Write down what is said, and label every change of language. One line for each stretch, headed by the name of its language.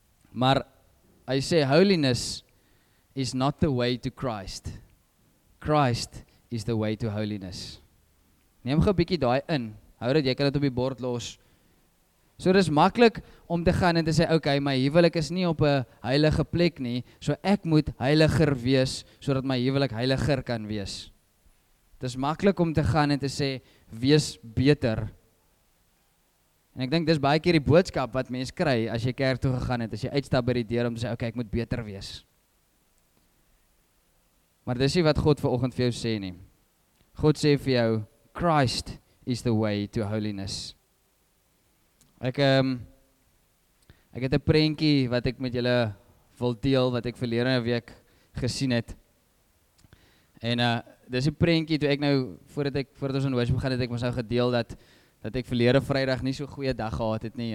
Afrikaans: Maar hy sê,
English: holiness is not the way to Christ. Christ is the way to holiness.
Afrikaans: Neem gou 'n bietjie daai in, hou dat jy kan dit op die bord los. So dis makkelijk om te gaan en te sê, ok, my huwelik is nie op 'n heilige plek nie, so ek moet heiliger wees, so dat my huwelik heiliger kan wees. Dis makkelijk om te gaan en te sê, wees beter. En ek dink dis baie keer die boodskap wat mens kry, as jy kerk toe gegaan het, as jy uitstap by die deur om te sê, ok, ek moet beter wees. Maar dis nie wat God vanoggend vir jou sê nie. God sê vir jou,
English: Christ is the way to holiness.
Afrikaans: Ek het 'n prentjie wat ek met julle wil deel, wat ek verlede week gesien het. En dis die prentjie, toe ek nou, voordat ons in worship gaan, het ek ons nou gedeel, dat ek verlede vrijdag nie so goeie dag gehad het nie.